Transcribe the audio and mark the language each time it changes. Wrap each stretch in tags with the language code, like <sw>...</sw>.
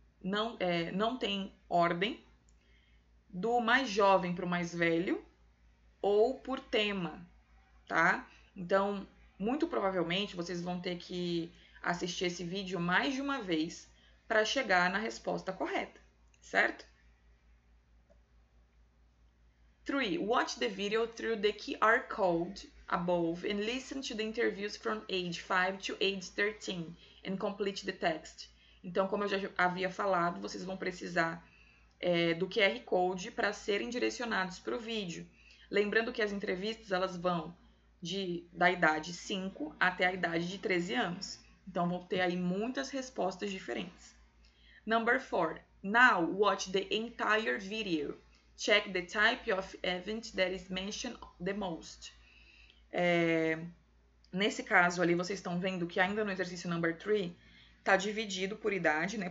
<pt>Não tem ordem, do mais jovem para o mais velho ou por tema, tá? Então, muito provavelmente vocês vão ter que assistir esse vídeo mais de uma vez para chegar na resposta correta, certo? 3.</pt> <en>Watch the video through the QR code above and listen to the interviews from age 5 to age 13 and complete the text.</en> <pt>Então, como eu já havia falado, vocês vão precisar do QR Code para serem direcionados para o vídeo. Lembrando que as entrevistas elas vão da idade 5 até a idade de 13 anos. Então, vão ter aí muitas respostas diferentes.</pt> <en>Number 4. Now watch the entire video. Check the type of event that is mentioned the most.</en> <pt>Nesse caso ali, vocês estão vendo que ainda no exercício number 3, tá dividido por idade, né?</pt>